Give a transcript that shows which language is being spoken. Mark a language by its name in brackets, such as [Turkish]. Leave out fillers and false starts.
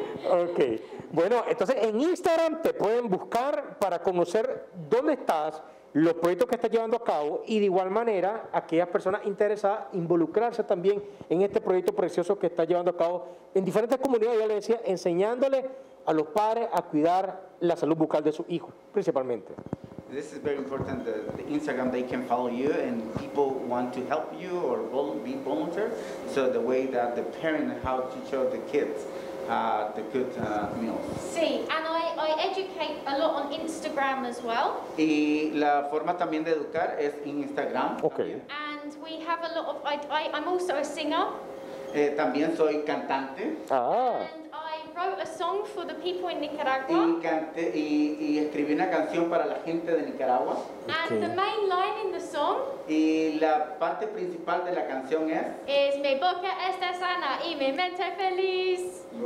[Spanish] Ok, bueno, entonces en Instagram te pueden buscar para conocer dónde estás, los proyectos que estás llevando a cabo y de igual manera aquellas personas interesadas involucrarse también en este proyecto precioso que estás llevando a cabo en diferentes comunidades, ya les decía, enseñándole a los padres a cuidar la salud bucal de sus hijos principalmente. [English] This is very important, the Instagram, they can follow you and people want to help you or be volunteer. So the way that the parent, how to show the kids the good meals. Sí, and I educate a lot on Instagram as well. [Spanish] Y la forma también de educar es en Instagram. [English] Okay. And we have a lot of, I'm also a singer. [Spanish] También soy cantante. Ah. [English] Wrote a song for the people in Nicaragua. [Spanish] Y escribí una canción para la gente de Nicaragua. [English] Okay. And the main line in the song. [Spanish] Y la parte principal de la canción es. Es mi boca está sana y mi mente feliz.